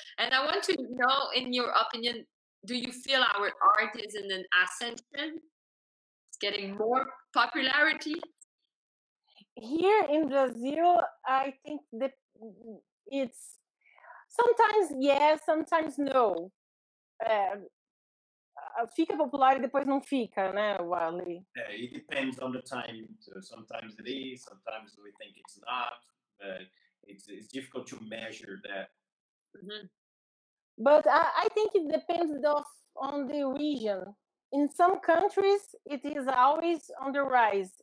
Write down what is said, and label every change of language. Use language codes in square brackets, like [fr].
[en] And I want to know, in your opinion, do you feel our art is in an ascension? It's getting more popularity? Here in Brazil, I think it's sometimes yes, sometimes no. [pt] Fica popular e depois não fica, né, Wally? [en] Yeah, it depends on the time. So sometimes it is, sometimes we think it's not. It's difficult to measure that. Mm-hmm. But I think it depends on the region. In some countries, it is always on the rise.